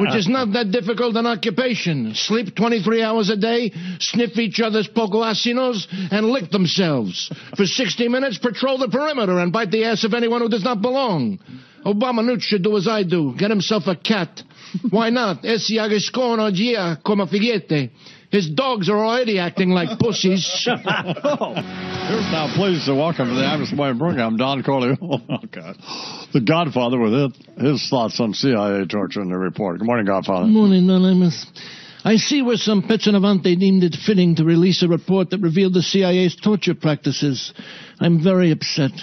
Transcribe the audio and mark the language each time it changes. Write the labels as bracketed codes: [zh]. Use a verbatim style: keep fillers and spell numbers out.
[en] which is not that difficult an occupation. Sleep twenty-three hours a day, sniff each other's poco asinos, and lick themselves. For sixty minutes, patrol the perimeter and bite the ass of anyone who does not belong. Obamanooch should do as I do, get himself a cat. Why not? [it] Essi agiscono gia come figliette. [en] His dogs are already acting like pussies. Oh. Here's now pleased to welcome to the Amos Morning Program, Don Corleone. Oh, God. The Godfather with it, his thoughts on C I A torture in the report. Good morning, Godfather. Good morning, Don Amos. I see where some pezzanavante deemed it fitting to release a report that revealed the C I A's torture practices. I'm very upset.